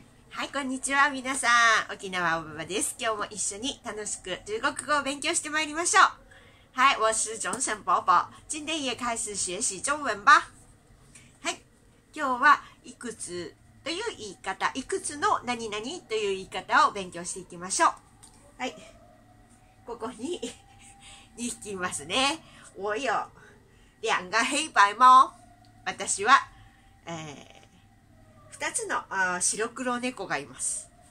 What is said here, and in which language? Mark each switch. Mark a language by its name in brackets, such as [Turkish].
[Japanese] はい、こんにちは、皆さん。沖縄おばばです。今日も一緒に楽しく中国語を勉強してまいりましょう。 [Chinese] はい、我是中生宝宝。今天也开始学习中文吧。 [Japanese] はい、今日はいくつという言い方、いくつの何々という言い方を勉強していきましょう。はい、ここに2匹いますね。 [Chinese] 我有两个黑白猫。 [Japanese] 私は、2つの白黒猫がいます。